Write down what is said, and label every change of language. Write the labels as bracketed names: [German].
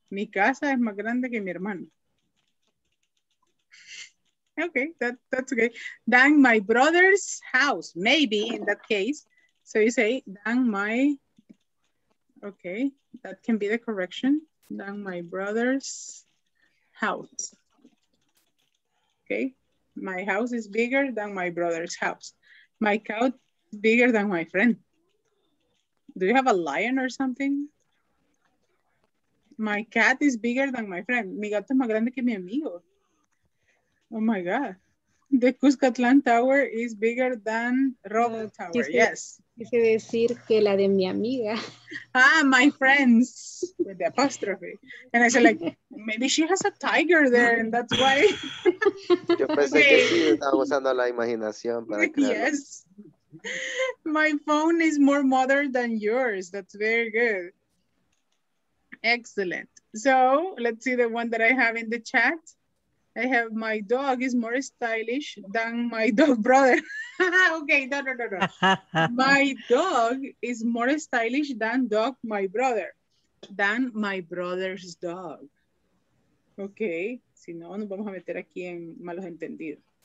[Spanish] Mi casa es más grande que mi hermano. [English] Okay, that's okay. Than my brother's house, maybe in that case. So you say, than my, okay, that can be the correction. Than my brother's house. Okay, my house is bigger than my brother's house. My couch is bigger than my friend. Do you have a lion or something? My cat is bigger than my friend. [Spanish] Mi gato es más grande que mi amigo. [English] Oh my God. The Cuscatlán Tower is bigger than Robo Tower. [Spanish] Quise, yes. Quise decir que la de mi amiga. [English] Ah, my friends. With the apostrophe. And I said, like, maybe she has a tiger there, and that's why. [Spanish] Yo pensé que sí, estaba usando la imaginación para crear. [English] Yes. My phone is more modern than yours. That's very good. Excellent. So let's see the one that I have in the chat. I have my dog is more stylish than my dog brother. Okay, no. My dog is more stylish than dog my brother, than my brother's dog. [Spanish] Okay, si no, nos vamos a meter aquí en malos entendidos.